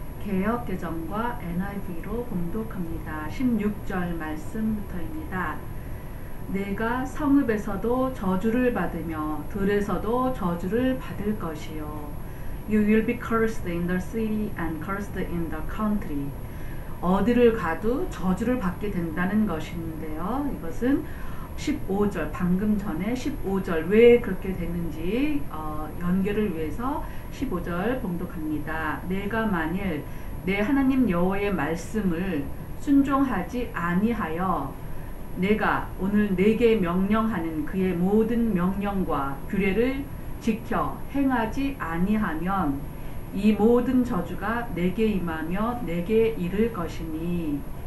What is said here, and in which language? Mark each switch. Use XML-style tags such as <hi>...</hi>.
<ko>개역개정과 NIV로 봉독합니다. 16절 말씀부터입니다. 내가 성읍에서도 저주를 받으며 들에서도 저주를 받을 것이요.</ko> <en>You will be cursed in the city and cursed in the country.</en> <ko>어디를 가도 저주를 받게 된다는 것인데요. 이것은 15절, 방금 전에 15절 왜 그렇게 되는지 연결을 위해서 15절 봉독합니다. 내가 만일 내 하나님 여호와의 말씀을 순종하지 아니하여 내가 오늘 내게 명령하는 그의 모든 명령과 규례를 지켜 행하지 아니하면 이 모든 저주가 내게 임하며 내게 이를 것이니</ko>